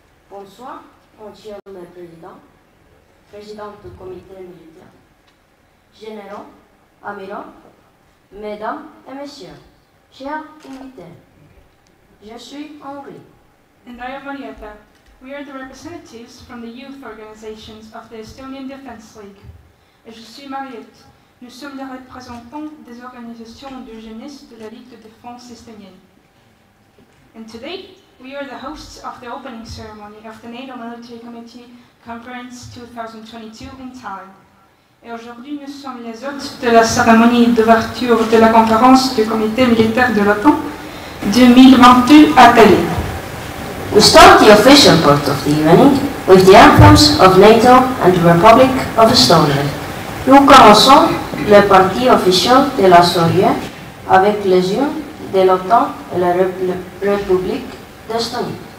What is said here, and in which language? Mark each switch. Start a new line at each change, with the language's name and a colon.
French: Bonsoir, monsieur le président, président du comité militaire, généraux, amiraux, mesdames et messieurs, chers invités, je suis Henri.
English: And I am Marietta. We are the representatives from the youth organizations of the Estonian Defense League.
French: Et je suis Mariette. Nous sommes les représentants des organisations de jeunesse de la Ligue de Défense Estonienne.
English: And today, we are the hosts of the opening ceremony of the NATO Military Committee Conference 2022 in Tallinn.
French: Et aujourd'hui, nous sommes les hôtes de la cérémonie d'ouverture de la conférence du comité militaire de l'OTAN 2022 à Tallinn.
English: We start the official part of the evening with the anthems of NATO and the Republic of Estonia.
French: Nous commençons le parti officiel de la soirée avec les hymnes de l'OTAN et la République d'Estonie.